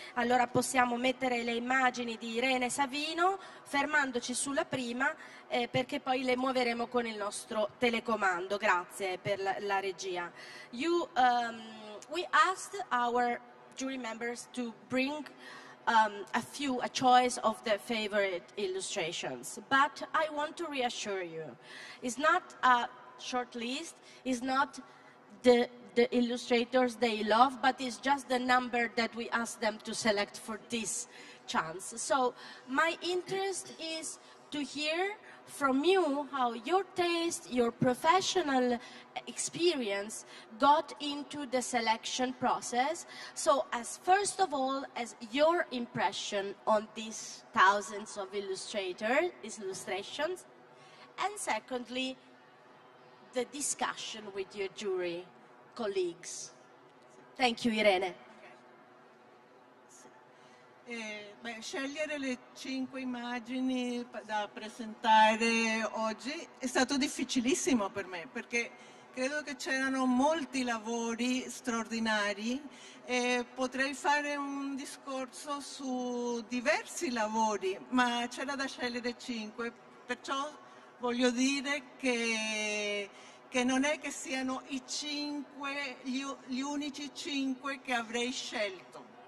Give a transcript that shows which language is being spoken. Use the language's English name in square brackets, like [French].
[Italian] Allora possiamo mettere le immagini di Irene Savino, fermandoci sulla prima, perché poi le muoveremo con il nostro telecomando. Grazie per la regia. [English] We asked our jury members to bring a choice of their favorite illustrations, but I want to reassure you, it's not a short list, it's not the illustrators they love, but it's just the number that we ask them to select for this chance. So my interest is to hear from you how your taste, your professional experience got into the selection process. So as first of all, as your impression on these thousands of illustrators, these illustrations, and secondly, the discussion with your jury colleagues. Thank you, Irene. [Italian] Beh, scegliere le cinque immagini da presentare oggi è stato difficilissimo per me, perché credo che c'erano molti lavori straordinari e potrei fare un discorso su diversi lavori, ma c'era da scegliere cinque, perciò voglio dire che non è che siano i cinque, gli unici cinque che avrei scelto.